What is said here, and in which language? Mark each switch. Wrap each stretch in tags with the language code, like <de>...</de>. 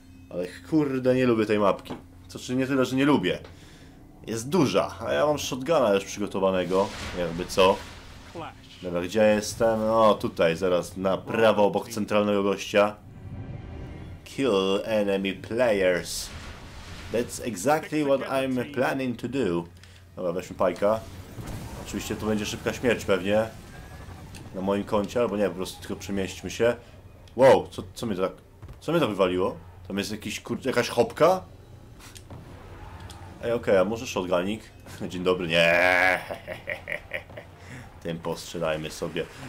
<pl>Ale kurde, nie lubię tej mapki. Co czy nie tyle, że nie lubię. Jest duża, a ja mam shotguna już przygotowanego. Jakby co. Dobra, gdzie jestem? O, tutaj, zaraz na prawo obok centralnego gościa.</pl> <en>Kill enemy players. That's exactly what I'm planning to do.</en> <pl>Dobra, weźmy pajka. Oczywiście to będzie szybka śmierć pewnie. Na moim koncie, albo nie, po prostu tylko przemieśćmy się. Wow, co mnie to tak... Co mnie to wywaliło? Tam jest jakiś jakaś hopka? Ej, okej, okay, a może shotgunik? Dzień dobry, nie. Tym postrzelajmy sobie.</pl>